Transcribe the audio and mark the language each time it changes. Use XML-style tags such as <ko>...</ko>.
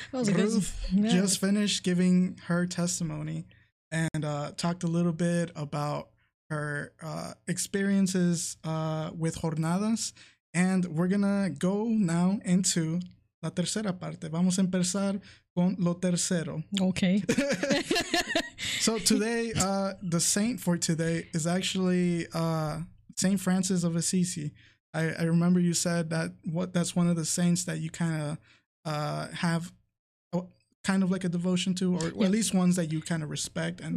<en>Ruth just finished giving her testimony and talked a little bit about her experiences with Jornadas. And we're going to go now into</en> <es>la tercera parte. Vamos a empezar con lo tercero.</es> <en>Okay. So today, the saint for today is actually Saint Francis of Assisi. I remember you said that that's one of the saints that you kind of have kind of like a devotion to, or at least ones that you kind of respect and</en>